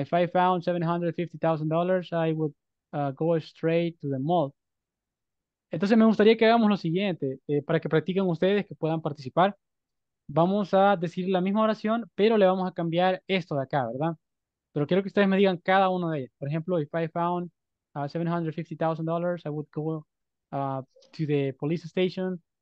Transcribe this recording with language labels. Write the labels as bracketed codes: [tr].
[en] If I found $750,000, I would go straight to the mall. [es] Entonces me gustaría que hagamos lo siguiente, para que practiquen ustedes, que puedan participar. Vamos a decir la misma oración, pero le vamos a cambiar esto de acá, ¿verdad? Pero quiero que ustedes me digan cada uno de ellos. Por ejemplo, [en] if I found $750,000, I would go to the police station.